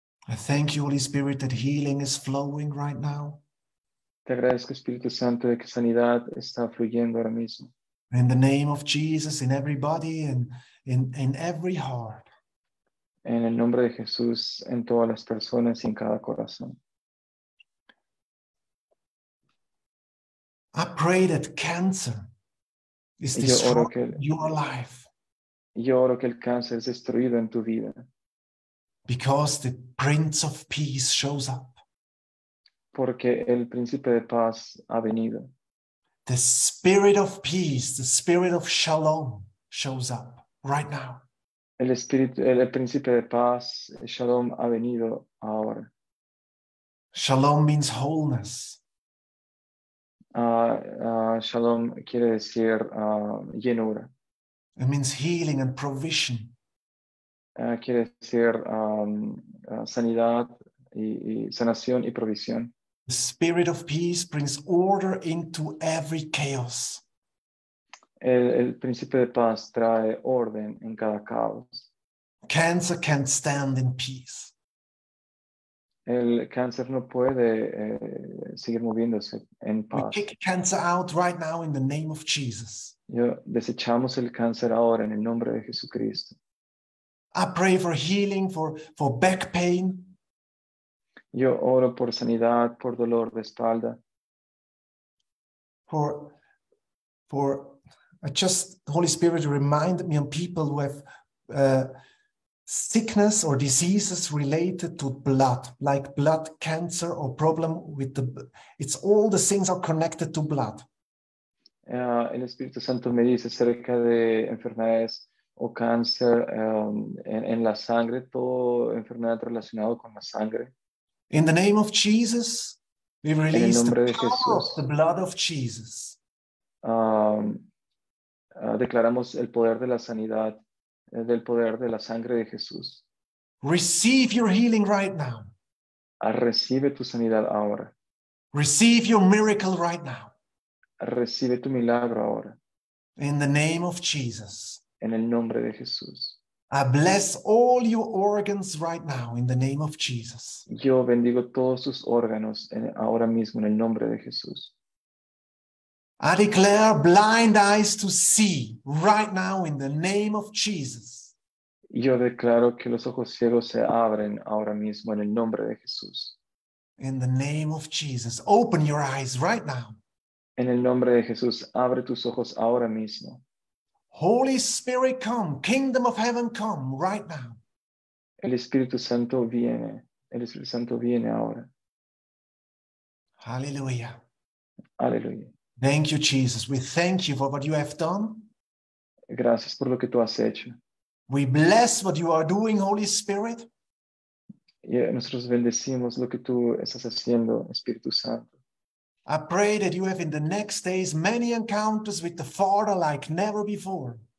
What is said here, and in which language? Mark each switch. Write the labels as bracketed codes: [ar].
[en] I thank you, Holy Spirit, that healing is flowing right now. [es] Te agradezco, Espíritu Santo, de que sanidad está fluyendo ahora mismo. [en] In the name of Jesus, in every body and in every heart. [es] En el nombre de Jesús, en todas las personas y en cada corazón. [en] I pray that cancer is destroyed in your life. [es] Yo oro que el cáncer es destruido en tu vida. [en] Because the Prince of Peace shows up. [es] Porque el Príncipe de Paz ha venido. [en] The Spirit of Peace, the Spirit of Shalom shows up right now. [es] El Príncipe de Paz, Shalom, ha venido ahora. [en] Shalom means wholeness. [es] Shalom quiere decir llenura. [en] It means healing and provision. [es] Quiere decir sanidad y sanación y provisión. [en] The Spirit of Peace brings order into every chaos. [es] El Príncipe de Paz trae orden en cada caos. [en] Cancer can't stand in peace. [es] El cáncer no puede seguir moviéndose en paz. [en] We kick cancer out right now in the name of Jesus. [es] Yo desechamos el cáncer ahora en el nombre de Jesucristo. [en] I pray for healing for back pain. [es] Yo oro por sanidad, por dolor de espalda. [en] for just the Holy Spirit remind me on people who have sickness or diseases related to blood, like blood cancer or problem with the, it's all the things are connected to blood. [es] El Espíritu Santo me dice acerca de enfermedades o cáncer en la sangre, todo enfermedad relacionado con la sangre. [en] In the name of Jesus, we release the power of the blood of Jesus. [es] Declaramos el poder de la sanidad, del poder de la sangre de Jesús. [en] Receive your healing right now. [es] Recibe tu sanidad ahora. [en] Receive your miracle right now. [es] Recibe tu milagro ahora. [en] In the name of Jesus. [es] En el nombre de Jesús. [en] I bless all your organs right now in the name of Jesus. [es] Yo bendigo todos sus órganos ahora mismo en el nombre de Jesús. [en] I declare blind eyes to see right now in the name of Jesus. [es] Yo declaro que los ojos ciegos se abren ahora mismo en el nombre de Jesús. [en] In the name of Jesus, open your eyes right now. [es] En el nombre de Jesús, abre tus ojos ahora mismo. [en] Holy Spirit, come. Kingdom of Heaven, come right now. [es] El Espíritu Santo viene. El Espíritu Santo viene ahora. Hallelujah. Hallelujah. [en] Thank you, Jesus. We thank you for what you have done. [es] Gracias por lo que tú has hecho. [en] We bless what you are doing, Holy Spirit. [es] Yeah, nosotros bendecimos lo que tú estás haciendo, Espíritu Santo. [en] I pray that you have in the next days many encounters with the Father like never before.